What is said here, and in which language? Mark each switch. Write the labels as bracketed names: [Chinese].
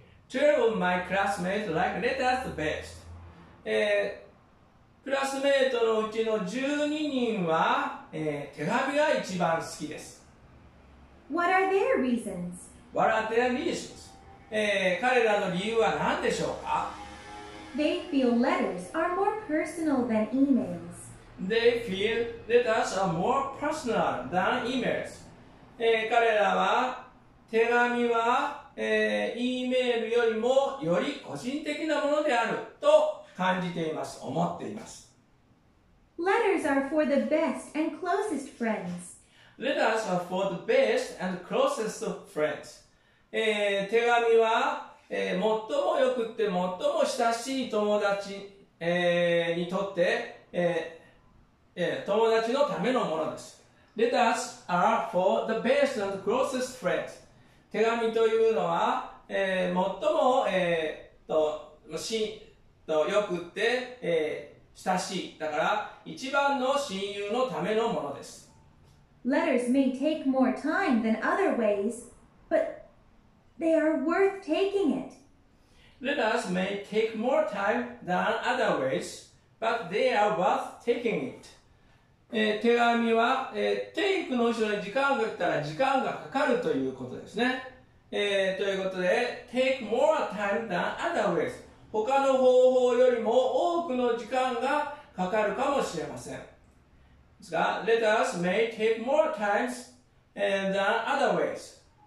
[English] 12 of my classmates like letters the best. [Japanese] クラスメートのうちの12人は、手紙が一番好きです。 [English] What are their reasons? What are their reasons? [Japanese] 彼らの理由は何でしょうか? [English] They feel letters are more personal than emails. They feel letters are more personal than emails. [Japanese] 彼らは手紙は、E メールよりもより個人的なものであると感じています、思っています。 [English] Letters are for the best and closest friends. Letters are for the best and closest friends. [Japanese] 手紙は、最もよくって最も親しい友達、にとって、友達のためのものです。 [English] Letters are for the best and closest friends. [Japanese] 手紙というのは、最も、よくって、親しい。だから、一番の親友のためのものです。 [English] Letters may take more time than other ways, butThey are worth taking it. Letters may take more time than other ways, but they are worth taking it. [Japanese] 手紙は、take の後ろに時間が来たら時間がかかるということですね。ということで、 [English] take more time than other ways. [Japanese] 他の方法よりも多くの時間がかかるかもしれません。ですが、 [English] letters may take more time than other ways.